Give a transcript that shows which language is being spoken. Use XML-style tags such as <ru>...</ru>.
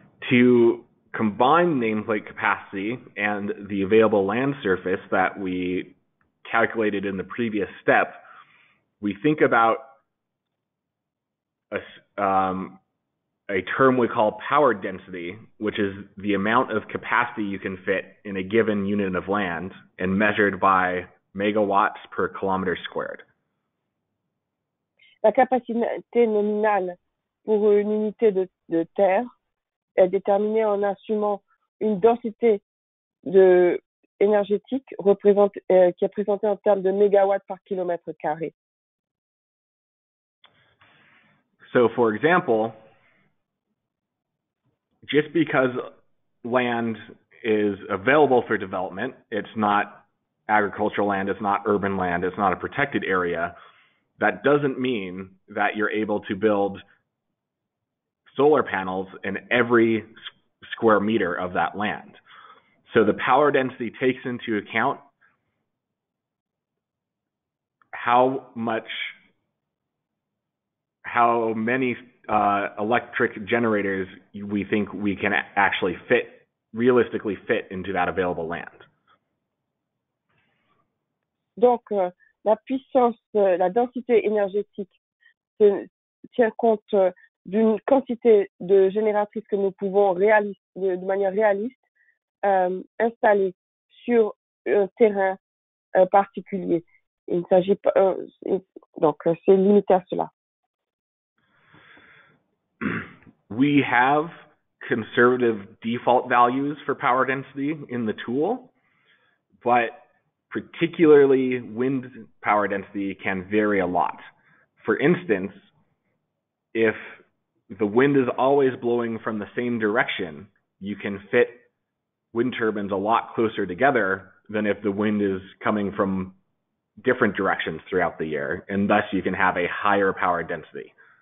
<en>To combine nameplate capacity and the available land surface that we calculated in the previous step, we think about a term we call power density, which is the amount of capacity you can fit in a given unit of land and measured by megawatts per kilometer squared.</en> <fr>La capacité nominale pour une unité de terre est déterminée en assumant une densité de énergétique qui est présentée en termes de mégawatts par kilomètre carré.</fr> <en>So, for example, just because land is available for development, it's not agricultural land, it's not urban land, it's not a protected area, that doesn't mean that you're able to build solar panels in every square meter of that land. So the power density takes into account how many electric generators we think we can actually realistically fit into that available land.</en> <fr>Donc la puissance, la densité énergétique tient compte d'une quantité de génératrices que nous pouvons de manière réaliste installer sur un terrain particulier. Il s'agit pas, donc c'est limité à cela.</fr> <en>We have conservative default values for power density in the tool, but particularly wind power density can vary a lot. For instance, if the wind is always blowing from the same direction, you can fit wind turbines a lot closer together than if the wind is coming from different directions throughout the year, and thus you can have a higher power density.</en>